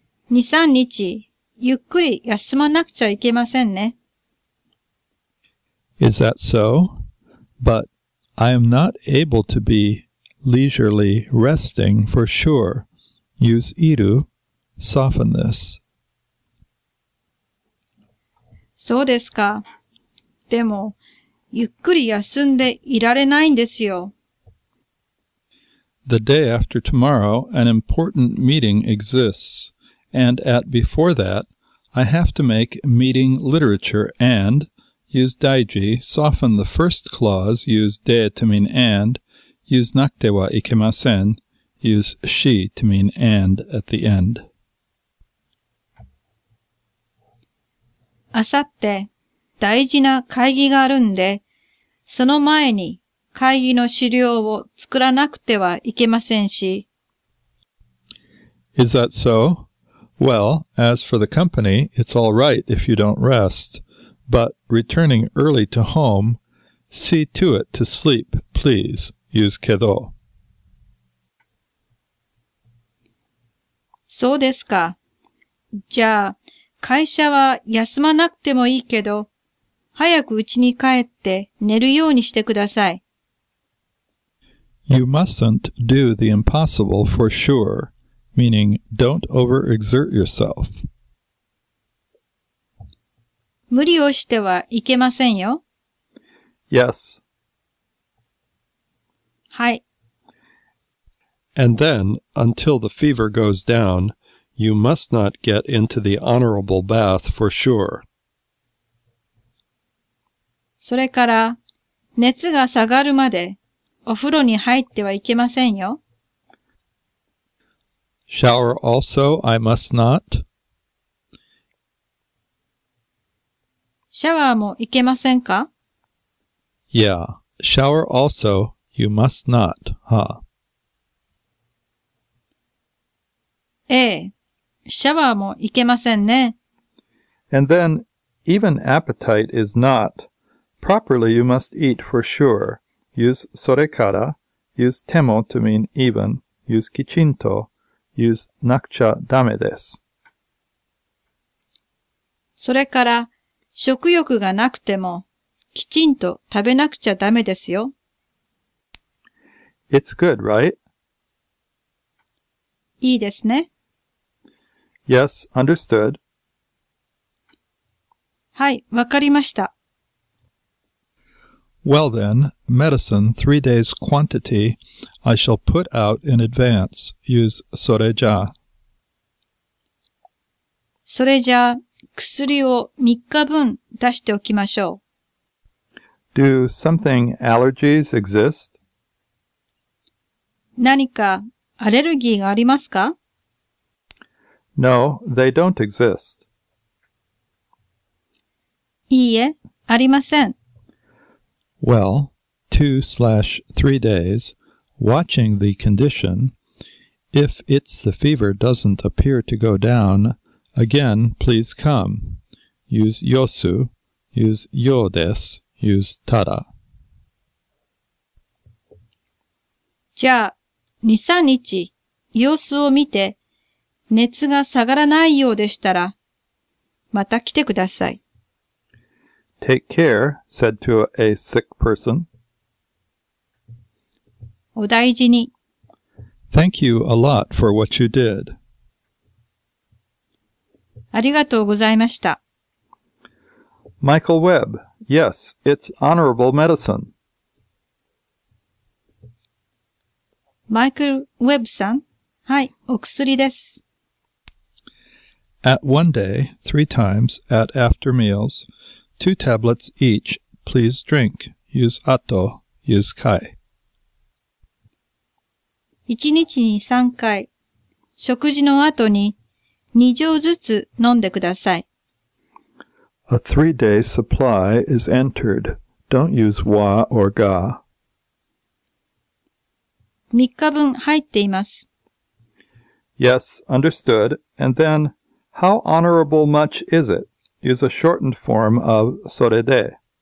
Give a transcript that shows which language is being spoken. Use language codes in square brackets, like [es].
[ja] 2-3日, ゆっくり休まなくちゃいけませんね。 [en] Is that so? But I am not able to be leisurely resting for sure. Use iru, soften this. [ja] そうですか。でも、ゆっくり休んでいられないんですよ。 [en] The day after tomorrow, an important meeting exists. And at before that, I have to make meeting literature and use daiji, soften the first clause, use de to mean and, use nakute wa ikemasen, use shi to mean and at the end. [ja] あさって大事な会議があるんで、その前に会議の資料を作らなくてはいけませんし。 [en] Is that so? Well, as for the company, it's all right if you don't rest. But returning early to home, see to it to sleep, please. Use kedo. [ja] そうですか。じゃあ、会社は休まなくてもいいけど、早く家に帰って寝るようにしてください。 [en] You mustn't do the impossible for sure, meaning don't overexert yourself. [ja] 無理をしてはいけませんよ。 [en] Yes. [ja] はい。 [en] And then, until the fever goes down,You must not get into the honorable bath for sure. [ja] それから、熱が下がるまでお風呂に入ってはいけませんよ。 [en] Shower also, I must not. [ja] シャワーもいけませんか? [en] Yeah, shower also, you must not, huh? [ja] ええ。シャワーもいけませんね。 [en] And then, even appetite is not. Properly you must eat for sure. Use それから, use temo to mean even, use kichinto, use nakcha dame です。 [ja] それから、食欲がなくても、きちんと食べなくちゃダメですよ。 [en] It's good, right? [ja] いいですね。 [en] Yes, understood. [ja] はい、わかりました。 [en] Well then, medicine 3 days quantity I shall put out in advance. Use それじゃ。 [ja] それじゃ、薬を3日分出しておきましょう。 [en] Do something allergies exist? [ja] 何かアレルギーがありますか? [en] No, they don't exist. [ja] いいえ、ありません。 [en] Well, 2/3 days, watching the condition, if it's the fever doesn't appear to go down, again, please come. Use yosu, use yo desu, use tada. [ja] じゃあ、2-3日、yosu を見て、熱が下がらないようでしたら、また来てください。 [en] Take care, said to a sick person. [ja] お大事に。 [en] Thank you a lot for what you did. [ja] ありがとうございました。 [en] Michael Webb, yes, it's honorable medicine. [ja] Michael Webb さん、はい、お薬です。 [en] At one day, 3 times, at after meals, 2 tablets each, please drink, use ato, use kai. [ja] 1日に3回、食事の後に2錠ずつ飲んでください。 [en] A 3-day supply is entered, don't use wa or ga. [ja] 3日分入っています。 [en] Yes, understood. And then, how honorable much is it? Is a shortened form of それで。